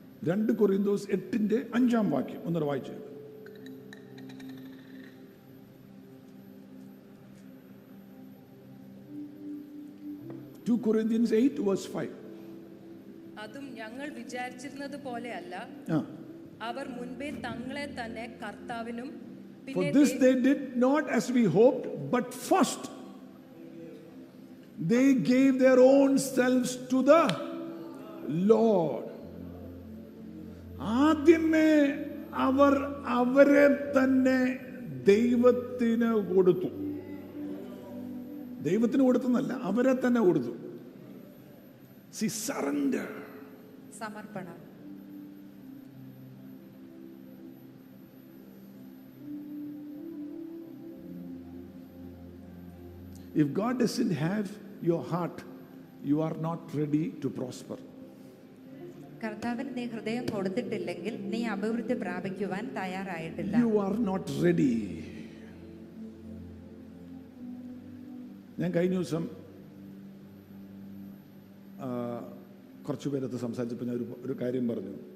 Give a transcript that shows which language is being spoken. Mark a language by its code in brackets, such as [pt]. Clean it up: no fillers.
[ml] രണ്ട് കൊരിന്തോസ് 8:5 അഞ്ചാം വാക്യം ഒന്നൂടെ വായിച്ചു. [en] Two Corinthians 8 verse 5. [ml] അതും ഞങ്ങൾ വിചാരിച്ചിരുന്നത് പോലെയല്ല. അവർ മുൻപേ തങ്ങളെ തന്നെ കർത്താവിനും [en] പിന്നെ For this they did not as we hoped, but first they gave their own selves to the Lord. [ml] ആദ്യമേ അവർ അവരെ തന്നെ ദൈവത്തിന് കൊടുത്തു. ദൈവത്തിന് കൊടുത്തെന്നല്ല, അവരെ തന്നെ കൊടുത്തു. [en] See, surrender. [ml] Samarpana. [en] If God doesn't have your heart, you are not ready to prosper. [ml] കർത്താവിന് നീ ഹൃദയം കൊടുത്തിട്ടില്ലെങ്കിൽ നീ അഭിവൃദ്ധി പ്രാപിക്കുവാൻ തയ്യാറായിട്ടില്ല. [en] You are not ready. [ml] ഞാൻ കഴിഞ്ഞ ദിവസം കുറച്ചുപേരത്ത് സംസാരിച്ചപ്പോൾ ഞാൻ ഒരു കാര്യം പറഞ്ഞു.